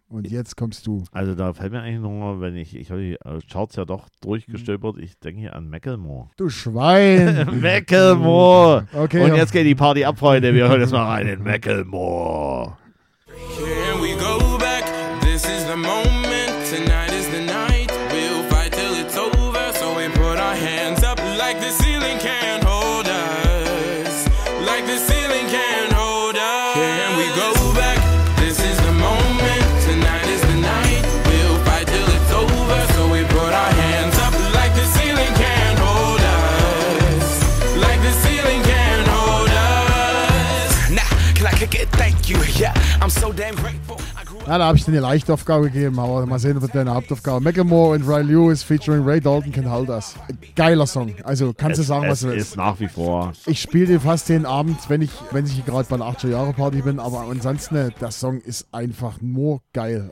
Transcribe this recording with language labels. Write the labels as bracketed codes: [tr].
[de] Und jetzt kommst du. Also da fällt mir eigentlich nur, wenn ich habe die Charts ja doch durchgestöbert, ich denke an Macklemore. Du Schwein! Macklemore! Okay. Und jetzt geht die Party ab, Freunde. Wir hören jetzt mal rein in Macklemore. [en] Can we go back? This is the moment. Tonight is the night. We'll fight till it's over. So we put our hands up like the ceiling can't hold us. Like the ceiling can't hold us. Can we go back? This is the moment. Tonight is the night. We'll fight till it's over. So we put our hands up like the ceiling can't hold us. Like the ceiling can't hold us. Nah, can I kick it? Thank you. Yeah. I'm so damn grateful. [de] Ja, da habe ich dir eine leichte Aufgabe gegeben, aber mal sehen, ob deine Hauptaufgabe. Macklemore und Ray Lewis featuring Ray Dalton can hold us. Geiler Song. Also kannst du sagen, was du willst. Es ist nach wie vor. Ich spiele den fast den Abend, wenn ich gerade bei einer 80er-Jahre-Party bin, aber ansonsten, der Song ist einfach nur geil.